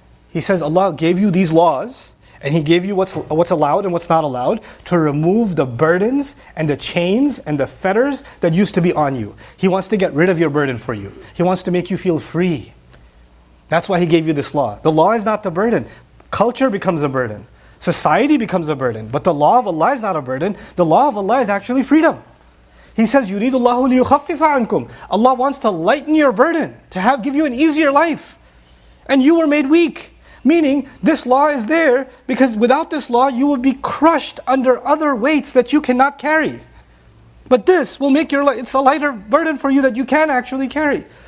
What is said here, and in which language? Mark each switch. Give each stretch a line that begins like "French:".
English: He says Allah gave you these laws, and He gave you what's allowed and what's not allowed, to remove the burdens and the chains and the fetters that used to be on you. He wants to get rid of your burden for you. He wants to make you feel free. That's why He gave you this law. The law is not the burden. Culture becomes a burden. Society becomes a burden. But the law of Allah is not a burden. The law of Allah is actually freedom. He says,
Arabic: يُرِيدُ اللَّهُ لِيُخَفِّفَ عَنْكُمْ.
English: Allah wants to lighten your burden, to have give you an easier life. And you were made weak. Meaning, this law is there, because without this law, you will be crushed under other weights that you cannot carry. But this will make your life, it's a lighter burden for you that you can actually carry.